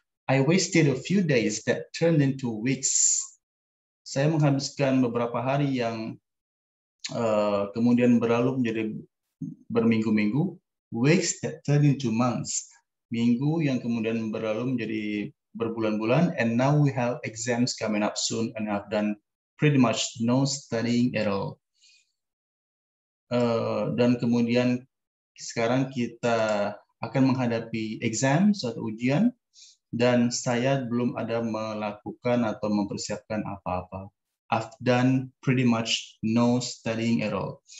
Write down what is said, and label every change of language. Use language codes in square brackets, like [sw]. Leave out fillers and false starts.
[en] I wasted a few days that turned into weeks. [id] Saya menghabiskan beberapa hari yang kemudian berlalu menjadi berminggu-minggu. [en] Weeks that turned into months. [id] Minggu yang kemudian berlalu menjadi berbulan-bulan. [en] And now we have exams coming up soon and I've done pretty much no studying at all. [id] Dan kemudian sekarang kita akan menghadapi exam atau ujian dan saya belum ada melakukan atau mempersiapkan apa-apa. [en] I've done pretty much no studying at all.